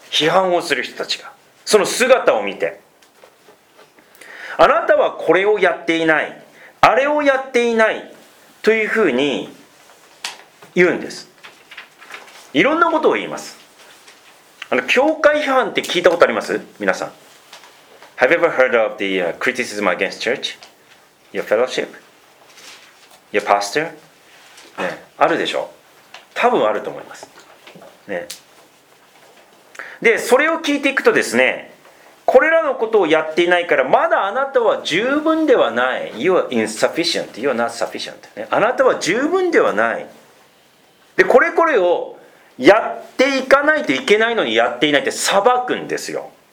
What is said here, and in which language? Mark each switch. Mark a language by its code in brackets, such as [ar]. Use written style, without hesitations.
[ja] 批判をする人たちが、その姿を見て、あなたはこれをやっていない、あれをやっていないというふうに言うんです。いろんなことを言います。教会批判って聞いたことあります？皆さん、 [en] Have you ever heard of the criticism against church? Your fellowship? Your pastor?、 [ja] ね、あるでしょう。多分あると思います、ね、で、それを聞いていくとですね、これらのことをやっていないから、まだあなたは十分ではない、 [en] You are insufficient, you are not sufficient、 [ja] ね、あなたは十分ではない、で、これをやっていかないといけないのにやっていないって裁くんですよ。